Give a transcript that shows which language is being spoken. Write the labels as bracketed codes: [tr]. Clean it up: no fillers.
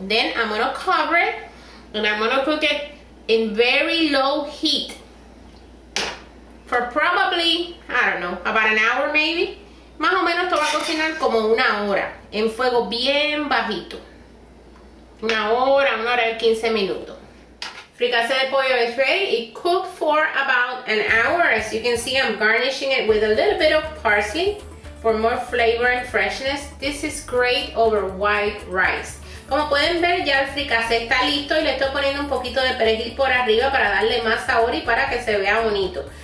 [en] Then I'm gonna cover it and I'm gonna cook it in very low heat for probably, I don't know, about an hour maybe. [es] Más o menos esto va a cocinar como una hora, en fuego bien bajito. Una hora y 15 minutos. Fricasé de pollo [en] is ready. It cooked for about an hour. As you can see, I'm garnishing it with a little bit of parsley for more flavor and freshness. This is great over white rice. [es] Como pueden ver, ya el fricasé está listo y le estoy poniendo un poquito de perejil por arriba para darle más sabor y para que se vea bonito.